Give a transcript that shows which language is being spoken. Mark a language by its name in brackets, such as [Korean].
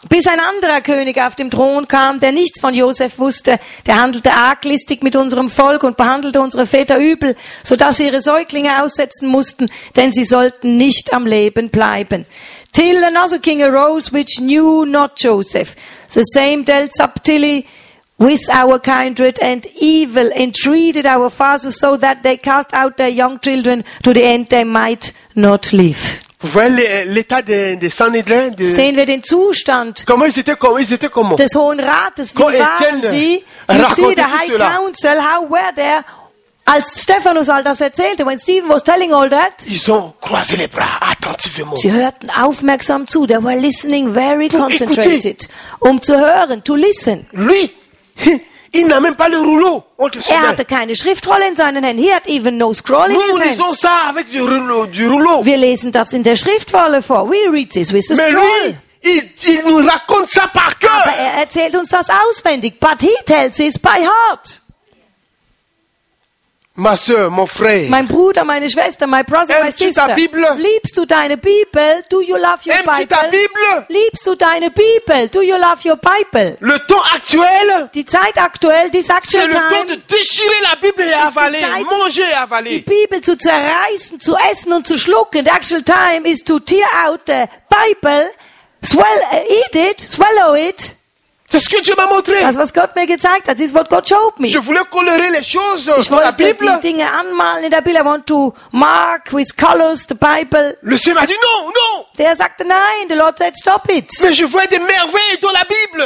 [German] Bis ein anderer König auf dem Thron kam, der nichts von Josef wusste, der handelte arglistig mit unserem Volk und behandelte unsere Väter übel, so dass sie ihre Säuglinge aussetzen mussten, denn sie sollten nicht am Leben bleiben. [English] Till another king arose which knew not Joseph. The same dealt subtilly with our kindred and evil entreated our fathers so that they cast out their young children to the end they might not live. [French] Vous voyez l'état des Sanhedrin, de [German] sehen wir den Zustand [French] comment? [German] Des Hohen Rates, wie [French] quand [German] waren sie? [English] You see the high [French] cela? [English] Council, how were they? [German] Als Stephanus all das erzählte, [English] when Stephen was telling all that, [French] ils ont croisé les bras attentivement. [German] Sie hörten aufmerksam zu. [English] They were listening very concentrated. [German] Um zu hören, [English] to listen. [French] Lui. Il n'a même pas le rouleau entre ses mains. [German] Er hatte keine Schriftrolle in seinen Händen. [English] He had even no scroll in his hands. [French] Nous lisons ça avec du rouleau. [German] Wir lesen das in der Schriftrolle vor. [English] We read this with a [French] Mais [English] scroll. [French] Lui, il nous raconte ça par cœur. [German] Aber er erzählt uns das auswendig. [English] But he tells it by heart. [French] Ma soeur, mon frère. [German] Mein Bruder, meine Schwester, [English] my brother, my sister. [French] Aimes-tu ta Bible? [German] Liebst du deine Bibel? [English] Do you love your Bible? [French] Aimes-tu ta Bible? [German] Liebst du deine Bibel? [English] Do you love your Bible? [French] Le temps actuel? [German] Die Zeit aktuell, [English] this actual time. [French] C'est le temps de déchirer la Bible et avaler, manger et avaler. [German] Die Bibel zu zerreißen, zu essen und zu schlucken. [English] The actual time is to tear out the Bible, swallow it. [French] C'est ce que Dieu m'a montré. [German] Das, was Gott mir gezeigt hat, ist, [English] what God showed me. [French] Je voulais colorer les choses [German] ich wollte [French] la Bible. [German] Die Dinge anmalen in der Bibel. [English] I want to mark with colors the Bible. [French] Le Seigneur m'a dit non, non. [German] Der sagte nein. [English] The Lord said stop it. [French] Mais je vois des merveilles dans la Bible.